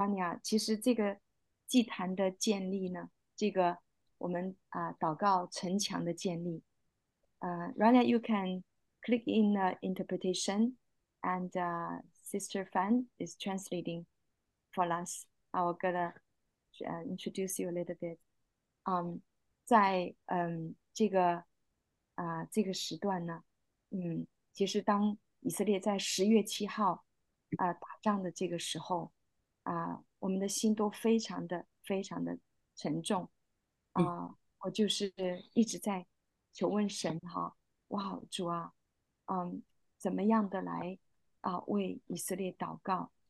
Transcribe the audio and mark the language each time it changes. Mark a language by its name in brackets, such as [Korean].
[Chinese] 尼亚，其实这个祭坛的建立呢，这个我们祷告城墙的建立。 [English] Rania, you can click in the interpretation, and Sister Fan is translating for us. I'll gonna introduce you a little bit. [Chinese] 在这个时段呢，其实当以色列在10月7号打仗的这个时候，我们的心都非常的非常的沉重，我就是一直在求问神哈，哇，主啊，怎么样的来为以色列祷告？